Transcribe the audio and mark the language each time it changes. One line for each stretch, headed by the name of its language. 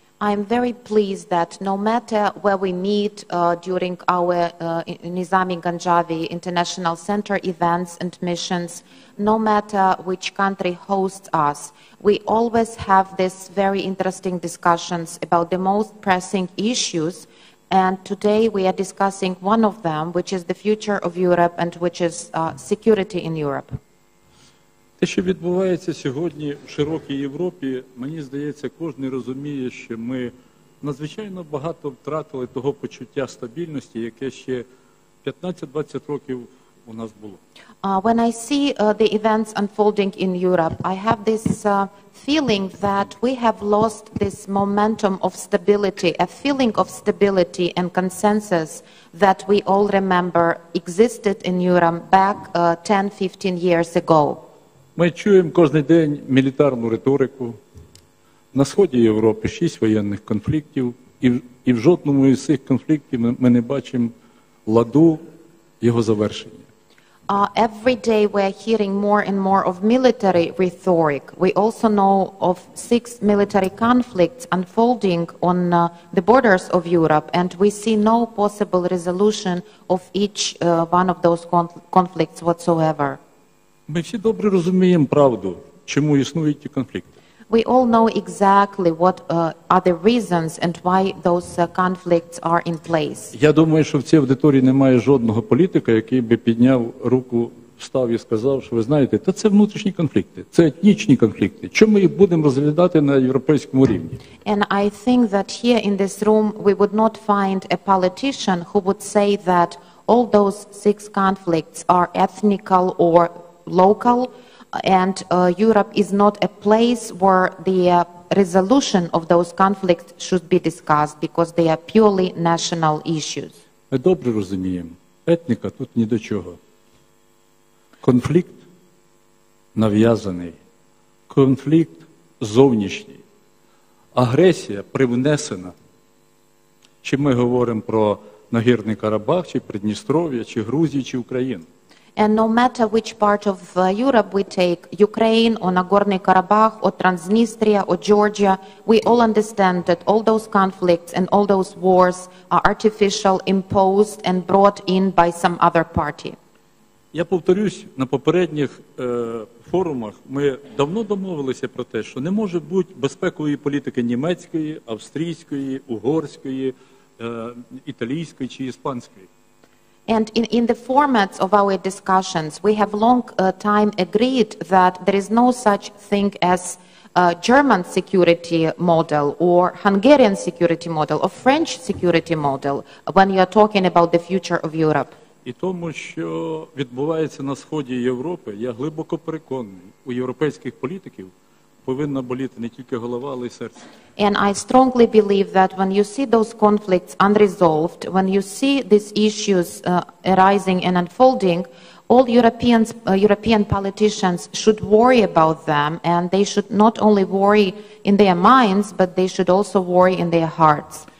English: I am very pleased that no matter where we meet during our Nizami-Ganjavi International Center events and missions, no matter which country hosts us, we always have this very interesting discussions about the most pressing issues. And today we are discussing one of them, which is the future of Europe and which is security in Europe.
Ukrainian: Те, що відбувається сьогодні в широкій Європі, мені здається, кожен розуміє, що ми надзвичайно багато втратили того почуття стабільності, яке ще 15-20 років у нас було.
English: When I see the events unfolding in Europe, I have this feeling that we have lost this momentum of stability, a feeling of stability and consensus that we all remember existed in Europe back 10-15 years ago.
Ukrainian: Ми чуємо кожен день мілітарну риторику. На сході Європи 6 воєнних конфліктів, і в жодному із цих конфліктів ми не бачимо ладу його завершення.
English: Every day we are hearing more and more of military rhetoric. We also know of 6 military conflicts unfolding on the borders of Europe, and we see no possible resolution of each one of those conflicts whatsoever.
Ukrainian: Ми всі добре розуміємо правду, чому існують ті конфлікти.
English: We all know exactly what are the reasons and why those conflicts are in place.
Ukrainian: Я думаю, що в цій аудиторії немає жодного політика, який би підняв руку, встав і сказав, що ви знаєте, та це внутрішні конфлікти, це етнічні конфлікти. Чому ми їх будемо розглядати на європейському рівні?
English: And I think that here in this room we would not find a politician who would say that all those 6 conflicts are ethnical or local, and Europe is not a place where the resolution of those conflicts should be discussed, because they are purely national issues.
Ukrainian: Ми добре розуміємо, етніка тут ні до чого. Конфлікт нав'язаний, конфлікт зовнішній, агресія привнесена. Чи ми говоримо про Нагірний Карабах, чи Придністров'я, чи Грузію, чи Україну?
English: And no matter which part of Europe we take, Ukraine or Nagorno Karabakh or Transnistria or Georgia, we all understand that all those conflicts and all those wars are artificial, imposed and brought in by some other party.
Ukrainian: Я повторюсь, на попередніх форумах ми давно домовилися про те, що не може бути безпекової політики німецької, австрійської, угорської, італійської чи іспанської.
English: And in the formats of our discussions, we have long time agreed that there is no such thing as German security model or Hungarian security model or French security model when you are talking about the future of Europe.
Ukrainian: І тому, що відбувається на сході Європи, я глибоко переконаний, у європейських політиків повинна боліти не тільки голова, але й серце.
English: And I strongly believe that when you see those conflicts unresolved, when you see these issues arising and unfolding, all Europeans, European politicians should worry about them, and they should not only worry in their minds, but they should also worry in their hearts.